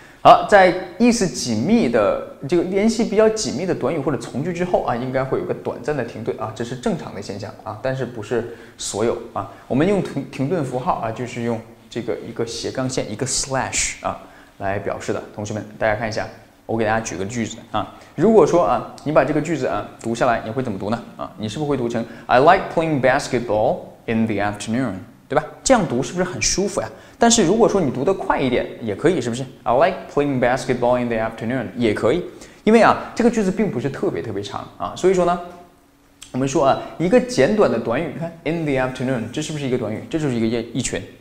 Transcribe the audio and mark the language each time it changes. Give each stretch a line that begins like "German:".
Chinese: 好，在意思紧密的这个联系比较紧密的短语或者从句之后啊，应该会有个短暂的停顿啊，这是正常的现象啊，但是不是所有啊。我们用停顿符号啊，就是用这个一个斜杠线一个 slash 啊来表示的。同学们，大家看一下，我给大家举个句子啊。如果说啊，你把这个句子啊读下来，你会怎么读呢？
English: 啊，
Chinese: 你是不是会读成
English: I like playing basketball in the afternoon?
Chinese: 对吧，这样读是不是很舒服呀？但是如果说你读得快一点也可以，是不是
English: I like playing basketball in the afternoon
Chinese: 也可以，因为啊这个句子并不是特别特别长啊，所以说呢我们说啊一个简短的短语，看
English: in the afternoon
Chinese: 这是不是一个短语，这就是一个一群。